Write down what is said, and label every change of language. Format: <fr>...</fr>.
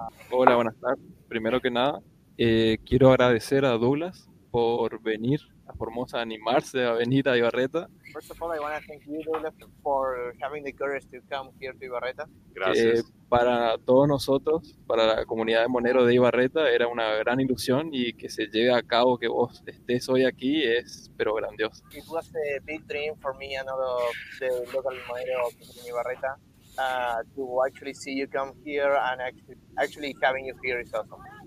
<es>Hola, buenas tardes. Primero que nada, quiero agradecer a Douglas por venir a Formosa animarse a venir a Ibarreta.</es> <en>First of all, I want to thank you, Douglas, for having the courage to come here to Ibarreta.</en> <es>Gracias. Para todos nosotros, para la comunidad de Monero de Ibarreta, era una gran ilusión y que se lleve a cabo que vos estés hoy aquí es, pero grandioso.</es> <en>It was a big dream for me and all of the local Monero in Ibarreta. To actually see you come here and actually having you here is awesome.</en>